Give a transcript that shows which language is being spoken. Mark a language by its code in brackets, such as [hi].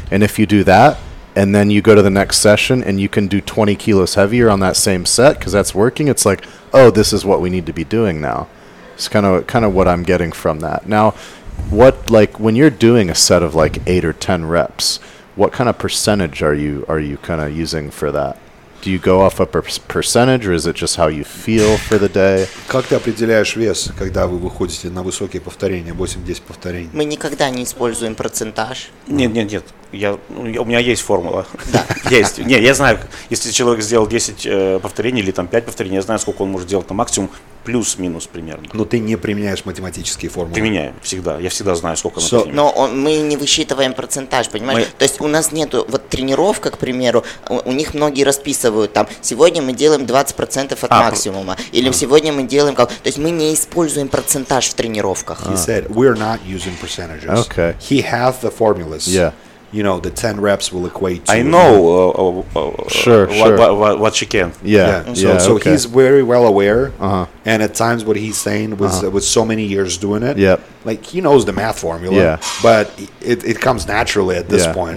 [en] And if you do that, and then you go to the next session and you can do 20 kilos heavier on that same set because that's working, it's like, oh, this is what we need to be doing now. It's kind of what I'm getting from that. Now, what, like, when you're doing a set of like 8 or 10 reps, what kind of percentage are you kind of using for that? Do you go off a percentage, or is it just how you feel for the day? [ru] Как ты определяешь вес, когда вы выходите на высокие повторения, 8-10 повторений? Мы никогда не используем процентаж. Нет. У меня есть формула. Да. Есть. Нет, я знаю, если человек сделал 10 повторений или там 5 повторений, я знаю, сколько он может сделать на максимум, плюс-минус примерно. Но ты не применяешь математические формулы. Применяю, всегда. Я всегда знаю, сколько он применяет. Мы не высчитываем процентаж, понимаешь? То есть у нас нету, вот тренировка, к примеру, у них многие расписывают там, сегодня мы делаем 20% от максимума, или сегодня мы делаем, как. То есть мы не используем процентаж в тренировках. [en] He said, we're not using percentages. Okay. He has the formulas. Yeah. you know, the 10 reps will equate to... I know what she can. So he's very well aware. And at times what he's saying was with so many years doing it, like he knows the math formula, but it comes naturally at this point.